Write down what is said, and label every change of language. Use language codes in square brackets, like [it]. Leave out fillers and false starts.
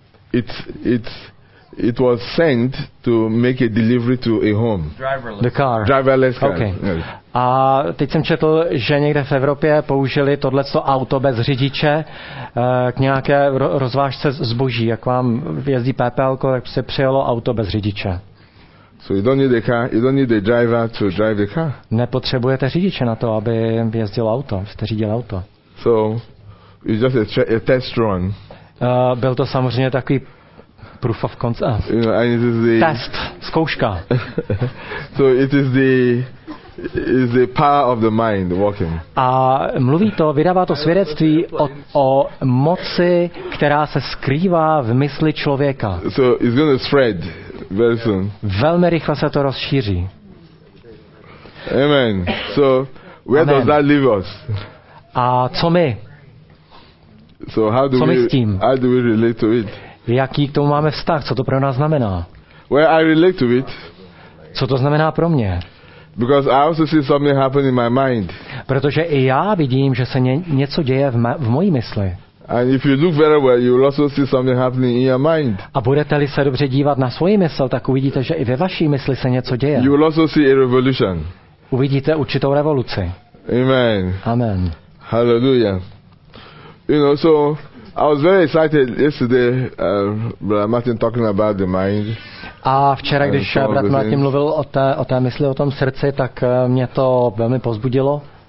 [en] It was sent to make a delivery to a home. Driverless. The car. Driverless car. Okay. Yes. [cs] A teď jsem četl, že někde v Evropě použili tohleto auto bez řidiče k nějaké rozvážce zboží. Jak vám vjezdí PPLko, tak se přijelo auto bez řidiče. [en] So you don't need a car, you don't need a driver to drive the car. [cs] Nepotřebujete řidiče na to, aby vjezdil auto, jste řídil auto. [en] So, it's just a test run. [cs] Byl to samozřejmě takový [en] proof of concept. You know, and it is the [cs] test, zkouška. [en] So it is the power of the mind working. [cs] A mluví to, vydává to svědectví o moci, která se skrývá v mysli člověka. [en] So it's going to spread very soon. [cs] Velmi rychle se to rozšíří. [en] Amen. So where [cs] Amen. [en] Does that leave us? [cs] A co my? [en] So how do [cs] co [en] we, [cs] my s tím? [en] How do we relate to it? [cs] Jaký k tomu máme vztah? Co to pro nás znamená? [en] Where I relate to it. [cs] Co to znamená pro mě? [en] Because I also see something happen in my mind. [cs] Protože i já vidím, že se něco děje v mojí mysli. [en] And if you look very well, you will also see something happening in your mind. [cs] A budete-li se dobře dívat na svoji mysl, tak uvidíte, že i ve vaší mysli se něco děje. [en] You will also see a revolution. [cs] Uvidíte určitou revoluci. [en] Amen. [cs] Amen. [en] Hallelujah. You know, so I was very excited yesterday, Brother Martin talking about the mind. [cs] A včera, když brat Martin mluvil o té mysli, o tom srdci, tak mě to velmi pozbudilo.